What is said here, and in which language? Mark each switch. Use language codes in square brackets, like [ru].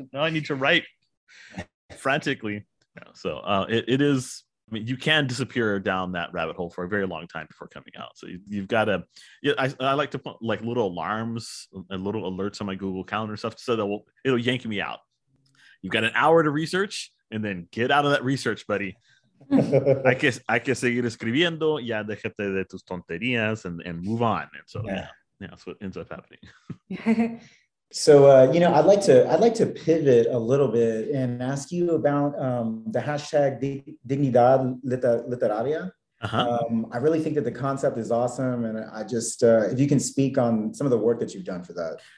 [en] And now I need to write frantically. So it is, I mean, you can disappear down that rabbit hole for a very long time before coming out. So you've got to, I like to put like little alarms and little alerts on my Google Calendar stuff so that it'll yank me out. You've got an hour to research and then get out of that research, buddy. [es] Hay que seguir escribiendo, ya déjate de tus tonterías [en] and move on. And so, yeah, that's what ends up happening. So, you know, I'd like to pivot a little bit and ask you about the hashtag Dignidad Literaria. Uh-huh. I really think that the concept is awesome. And I just, if you can speak on some of the work that you've done for that.